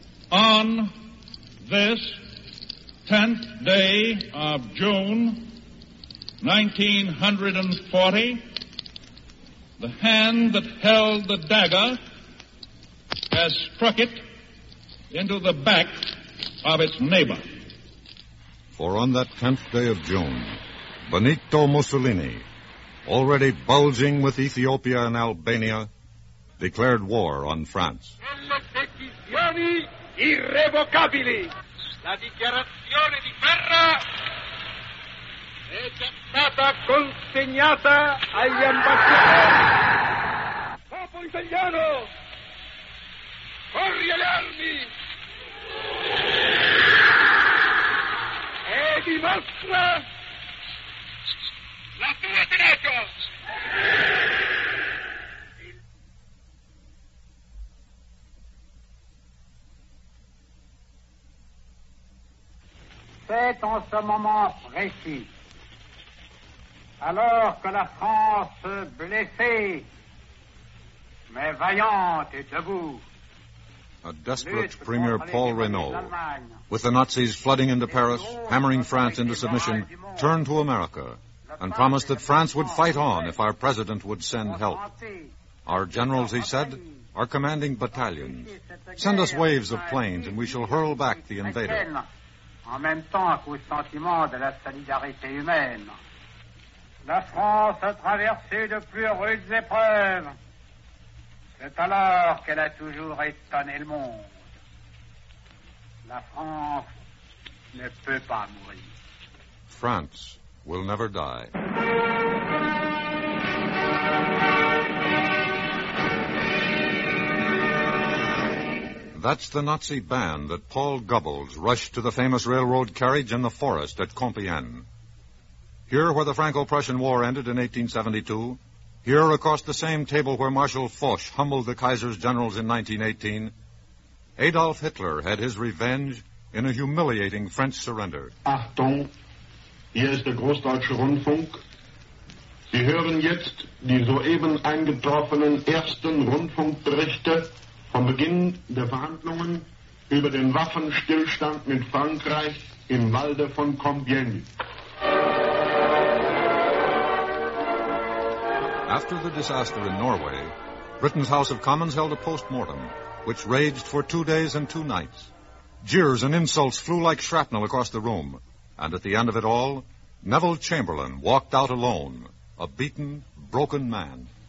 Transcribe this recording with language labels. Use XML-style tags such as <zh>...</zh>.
<en>On this 10th day of June 1940, the hand that held the dagger has struck it into the back of its neighbor. For on that 10th day of June, Benito Mussolini, already bulging with Ethiopia and Albania, declared war on France.</en> <it>Sono decisioni irrevocabili. La dichiarazione di guerra è già stata consegnata agli ambasciatori. Popolo italiano, corri alle armi. E dimostra la tua tenacia.</it> <fr>C'est en ce moment précis, alors que la France blessée, mais vaillante et debout.</fr> <en>A desperate Premier Paul Reynaud, with the Nazis flooding into Paris, hammering France into submission, turned to America and promised that France would fight on if our president would send help. Our generals, he said, are commanding battalions. Send us waves of planes, and we shall hurl back the invader.</en> <fr>En même temps qu'au sentiment de la solidarité humaine, la France a traversé de plus rudes épreuves. C'est alors qu'elle a toujours étonné le monde. La France ne peut pas mourir.</fr> <en>France will never die. That's the Nazi band that Paul Goebbels rushed to the famous railroad carriage in the forest at Compiègne. Here, where the Franco-Prussian War ended in 1872, here across the same table where Marshal Foch humbled the Kaiser's generals in 1918, Adolf Hitler had his revenge in a humiliating French surrender.</en> <de>Achtung, hier ist der Großdeutsche Rundfunk. Sie hören jetzt die soeben eingetroffenen ersten Rundfunkberichte vom Beginn der Verhandlungen über den Waffenstillstand mit Frankreich im Walde von Compiègne.</de> <en>After the disaster in Norway, Britain's House of Commons held a post-mortem, which raged for 2 days and 2 nights. Jeers and insults flew like shrapnel across the room, and at the end of it all, Neville Chamberlain walked out alone, a beaten, broken man.</en>